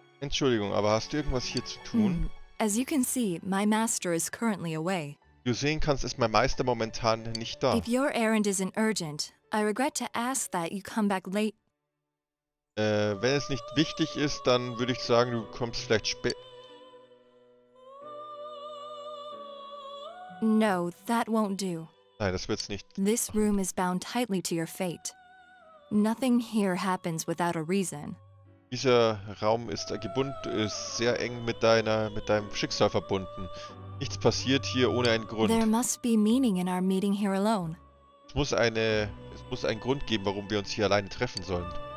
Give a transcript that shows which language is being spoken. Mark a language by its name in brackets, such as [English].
[German] Entschuldigung, aber hast du irgendwas hier zu tun? [English] As you can see, my master is currently away. [German] Du sehen kannst, ist mein Meister momentan nicht da. [English] If your errand isn't urgent, I regret to ask that you come back late. [German] Wenn es nicht wichtig ist, dann würde ich sagen, du kommst vielleicht spät. [English] No, that won't do. [German] Nein, das wird's nicht. [English] This room is bound tightly to your fate. Nothing here happens without a reason. [German] Dieser Raum ist gebunden, ist sehr eng mit deinem Schicksal verbunden. Nichts passiert hier ohne einen Grund. [English] There must be meaning in our meeting here alone. [German] Es muss einen Grund geben, warum wir uns hier alleine treffen sollen.